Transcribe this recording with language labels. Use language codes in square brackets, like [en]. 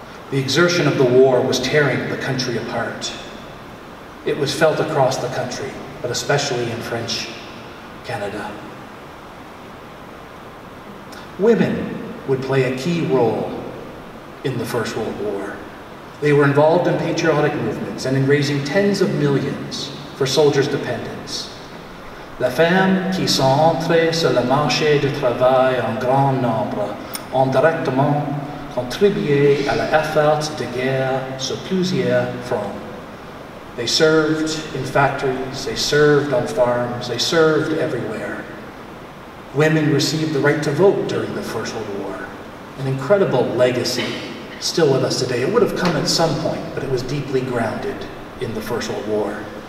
[en] The exertion of the war was tearing the country apart. It was felt across the country, but especially in French Canada. Women would play a key role in the First World War. They were involved in patriotic movements and in raising tens of millions for soldiers' dependents. [fr] Les femmes qui sont entrées sur le marché du travail en grand nombre ont directement contribué à l'effort de guerre sur plusieurs fronts. [en] They served in factories, they served on farms, they served everywhere. Women received the right to vote during the First World War, an incredible legacy still with us today. It would have come at some point, but it was deeply grounded in the First World War.